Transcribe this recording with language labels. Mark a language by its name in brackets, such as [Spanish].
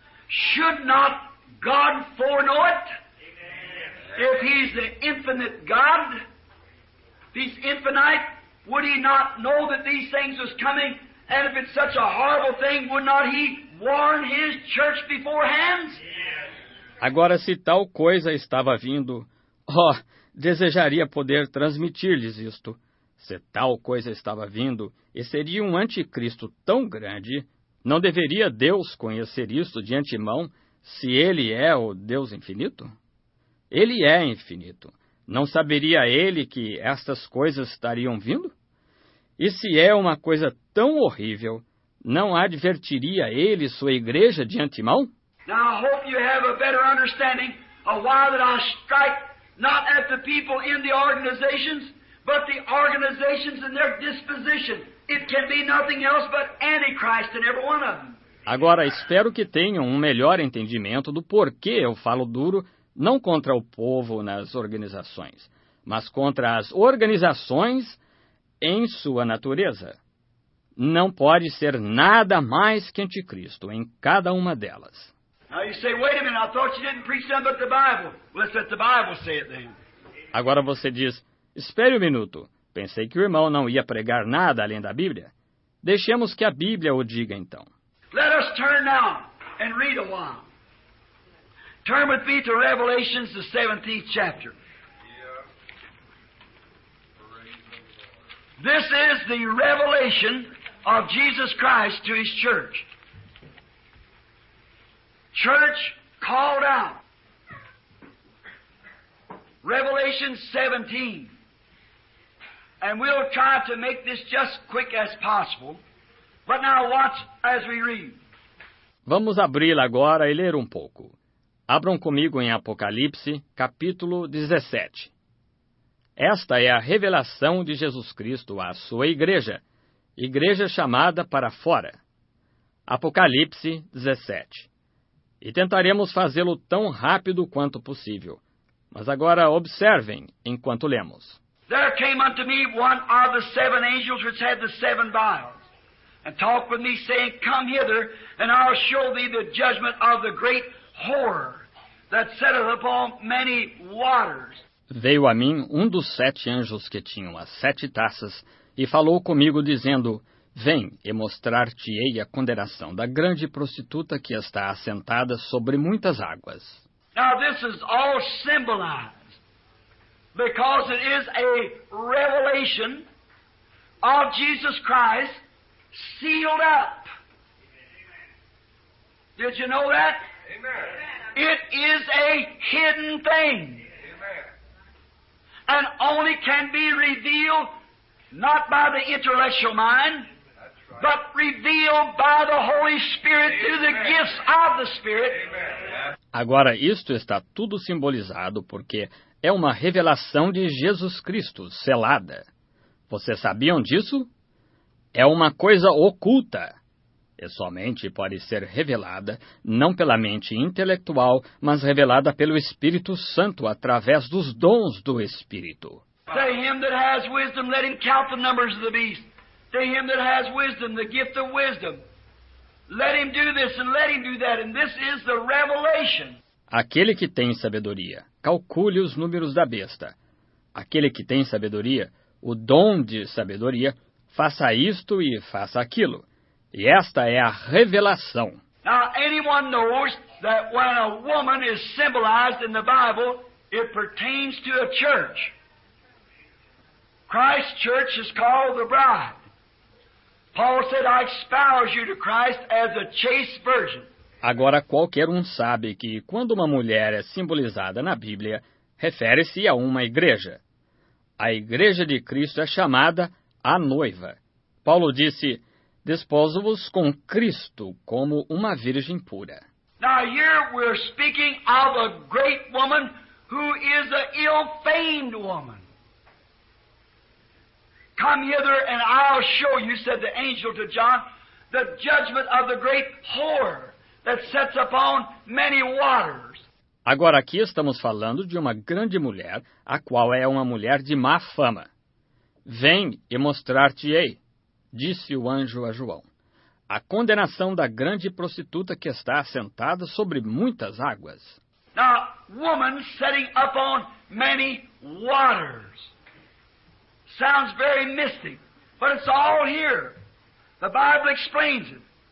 [English] Should not God foreknow it? If he's the infinite God, if he's infinite, would he not know that these things was coming? And if it's such a horrible thing, would not he warn his church beforehand? [Portuguese] Agora, se tal coisa estava vindo, desejaria poder transmitir-lhes isto. Se tal coisa estava vindo e seria um anticristo tão grande, não deveria Deus conhecer isto de antemão, se ele é o Deus infinito? Ele é infinito. Não saberia ele que estas coisas estariam vindo? E se é uma coisa tão horrível, não advertiria ele sua igreja de antemão? [English] Now I hope you have a better understanding of why that I strike not at the people in the organizations, but the organizations and their disposition. It can be nothing else but antichrist in every one of them. [Portuguese] Agora, espero que tenham um melhor entendimento do porquê eu falo duro, não contra o povo nas organizações, mas contra as organizações em sua natureza. Não pode ser nada mais que anticristo em cada uma delas. [English] Now you say, wait a minute, I thought you didn't preach nothing but the Bible. Let's let the Bible say it then. [Portuguese] Agora você diz, espere um minuto, pensei que o irmão não ia pregar nada além da Bíblia. Deixemos que a Bíblia o diga então. [English] Let us turn now and read a while. Turn with me to Revelation, the 17th chapter. This is the revelation of Jesus Christ to his church. Church called out. Revelation 17. And we'll try to make this just quick as possible. But now watch as we read. [Portuguese] Vamos abri-la agora e ler um pouco. Abram comigo em Apocalipse, capítulo 17. Esta é a revelação de Jesus Cristo à sua igreja, igreja chamada para fora. Apocalipse 17. E tentaremos fazê-lo tão rápido quanto possível. Mas agora observem enquanto lemos. [English] There came unto me one of the seven angels which had the seven vials, and talked with me, saying, come hither, and I'll show thee the judgment of the great horror that setteth upon many waters. [Portuguese] Veio a mim um dos sete anjos que tinham as sete taças, e falou comigo, dizendo, vem, e mostrar-te-ei a condenação da grande prostituta que está assentada sobre muitas águas. [English] Now this is all symbolized, because it is a revelation of Jesus Christ sealed up. Did you know that? Amen. It is a hidden thing. And only can be revealed not by the intellectual mind, but revealed by the Holy Spirit through the gifts of the Spirit. [Portuguese] Agora, isto está tudo simbolizado porque é uma revelação de Jesus Cristo selada. Vocês sabiam disso? É uma coisa oculta. E somente pode ser revelada, não pela mente intelectual, mas revelada pelo Espírito Santo, através dos dons do Espírito. [English] To him that has wisdom, let him count the numbers of the beast. To him that has wisdom, the gift of wisdom. Let him do this and let him do that. And this is the revelation. [Portuguese] Aquele que tem sabedoria, calcule os números da besta. Aquele que tem sabedoria, o dom de sabedoria, faça isto e faça aquilo. E esta é a revelação. [English] Now, anyone knows that when a woman is symbolized in the Bible, it pertains to a church. Christ's church is called the bride. Paul said, I espouse you to Christ as a chaste virgin. [Portuguese] Agora, qualquer um sabe que quando uma mulher é simbolizada na Bíblia, refere-se a uma igreja. A igreja de Cristo é chamada a noiva. Paulo disse, desposo-vos com Cristo como uma virgem pura. [English] Now here we're speaking of a great woman who is an ill-famed woman. Come hither and I'll show you, said the angel to John, the judgment of the great whore that sets upon many waters. [Portuguese] Agora aqui estamos falando de uma grande mulher, a qual é uma mulher de má fama. Vem e mostrar-te-ei, disse o anjo a João, a condenação da grande prostituta que está assentada sobre muitas águas. [English] Now, woman setting up on many waters. Sounds very mystic, but it's all here. The Bible explains it.